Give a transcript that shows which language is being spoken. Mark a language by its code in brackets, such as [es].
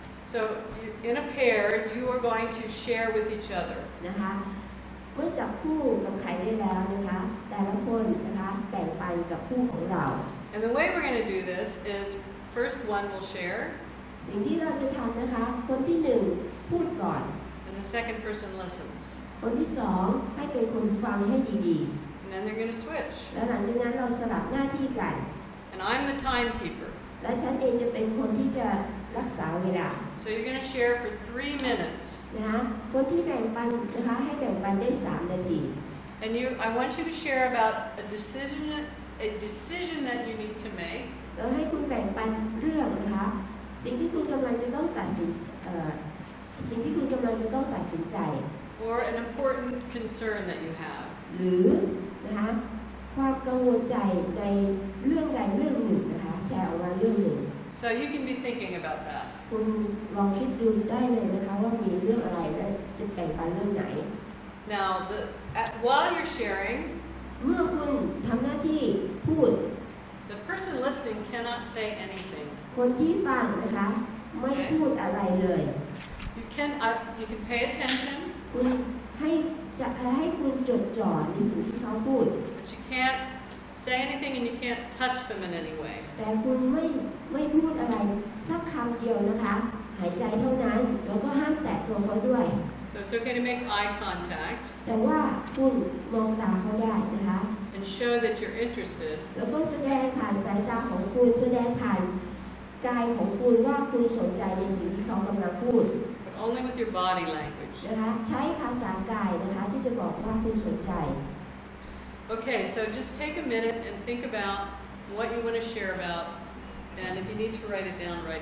[en] So you, in a pair, you are going to share with each other. [th] นะคะเมื่อจับคู่กับใครได้แล้วนะคะแต่ละคนนะคะแบ่งปันกับคู่ของเรา [en] And the way we're going to do this is first one will share [th] สิ่งที่เราจะทำนะคะคนที่หนึ่งพูดก่อน [en] And the second person listens [th] คนที่สองให้เป็นคนฟังให้ดี [en] ๆ And then they're going to switch [th] แล้วหลังจากนั้นเราสลับหน้าที่กัน [en] And I'm the timekeeper [th] และฉันเองจะเป็นคนที่จะรักษาเวลา [en] So you're going to share for 3 minutes [th] นะคนที่แบ่งปันนะคะให้แบ่งปันได้3นาที [en] And you I want you to share about a decision that you need to make [th] แล้วให้คุณแบ่งปันเรื่องนะคะสิ่งที่คุณกำลังจะต้องตัดสินสิ่งที่คุณกำลังจะต้องตัดสินใจ [en] Or an important concern that you have [th] หรือนะคะความกังวลใจในเรื่องใดเรื่องหนึ่งนะคะแชร์ออกมาเรื่องหนึ่ง [en] So you can be thinking about that. [th] คุณลองคิดดูได้เลยนะคะว่ามีเรื่องอะไรและจะแบ่งปันเรื่องไหน [en] Now while you're sharing, [th] เมื่อคุณทำหน้าที่พูด [en] the person listening cannot say anything. [th] คนที่ฟังนะคะไม่พูดอะไรเลย [en] You can pay attention. [th] คุณให้คุณจดจ่อในสิ่งที่เขาพูด [en] But you can't say anything and you can't touch them in any way. [th] แต่คุณไม่พูดอะไรสักคำเดียวนะคะหายใจเท่านั้นแล้วก็ห้ามแตะตัวเขาด้วย [en] So it's okay to make eye contact. [th] แต่ว่าคุณมองตาเขาได้นะคะ [en] And show that you're interested. [th] แล้วก็แสดงผ่านสายตาของคุณแสดงผ่านกายของคุณว่าคุณสนใจในสิ่งที่เขากำลังพูด [en] But only with your body language. [th] นะคะใช้ภาษากายนะคะที่จะบอกว่าคุณสนใจ [en] Okay, so just take a minute and think about what you want to share about. And if you need to write it down.